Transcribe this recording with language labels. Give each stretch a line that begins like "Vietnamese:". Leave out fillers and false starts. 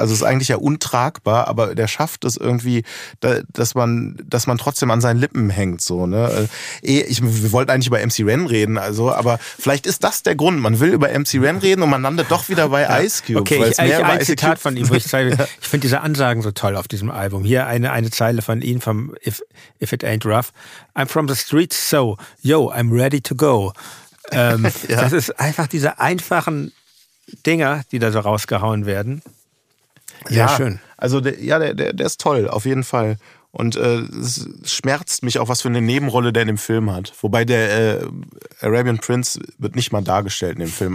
German: Also ist eigentlich ja untragbar, aber der schafft es irgendwie, dass man trotzdem an seinen Lippen hängt. So, ne? Wir wollten eigentlich über MC Ren reden, also, aber vielleicht ist das der Grund. Man will über MC Ren reden und man landet doch wieder bei Ice Cube. Okay, ich finde diese Ansagen so toll auf diesem Album. Hier eine Zeile von ihm, vom If It Ain't Rough.
English: I'm from the streets, so yo, I'm ready to go.
German: Das ist einfach diese einfachen Dinger, die da so rausgehauen werden. Sehr schön. Also der ist toll, auf jeden Fall. Und es schmerzt mich auch, was für eine Nebenrolle der in dem Film hat. Wobei der Arabian Prince wird nicht mal dargestellt in dem Film.